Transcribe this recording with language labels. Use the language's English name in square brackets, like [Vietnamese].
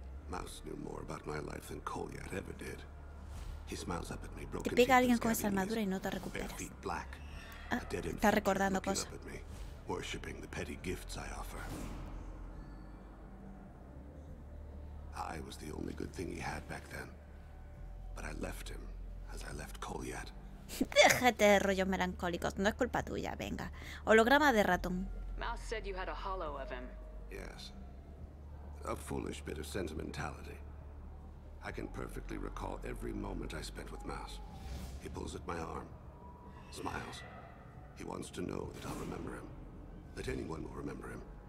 [English] Mouse knew more about my life than Colyat ever did. He smiles up at me, broken. [Spanish] Te pega alguien con esa armadura y no te recuperas. Ah, está recordando cosas. [English] Worshipping the petty gifts I offer. I was the only good thing he had back then. But I left him as I left Colyat. [Spanish] Déjate de rollos melancólicos, no es culpa tuya, venga. Holograma de ratón. [English] Mouse said you had a hollow of him. Yes. A foolish bit of sentimentality. I can perfectly recall every moment I spent with Mouse. He pulls at my arm, smiles. He wants to know that I'll remember him, that anyone will remember him.